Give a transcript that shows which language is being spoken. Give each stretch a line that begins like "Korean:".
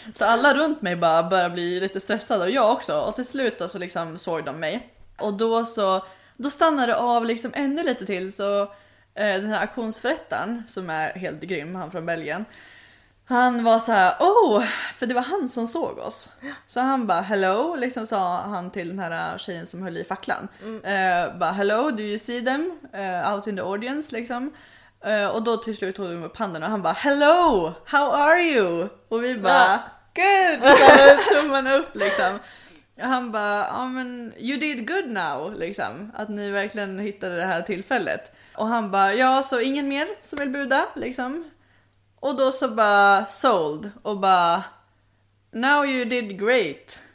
Swedish: Så alla runt mig bara började bli lite stressade och jag också. Och till slut då så liksom såg de mig. Och då så... Då stannade det av liksom ännu lite till, så den här auktionsförrättaren som är helt grym, han från Belgien. Han var så här, "Oh", för det var han som såg oss. Så han bara,
English: "Hello",
Swedish: liksom sa han till den här tjejen som höll i facklan.
English: Bara, "Hello, do you see them out in the audience?"
Swedish: liksom. Och då till slut tog de upp handen och han bara,
English: "Hello, how are you?"
Swedish: Och vi bara,
English: "Good."
Swedish: Så tog man upp liksom. Han bara, ja men
English: you did good now
Swedish: liksom, att ni verkligen hittade det här tillfället. Och han bara, ja så ingen mer som vill buda liksom. Och då så bara sold och bara,
English: now you did great.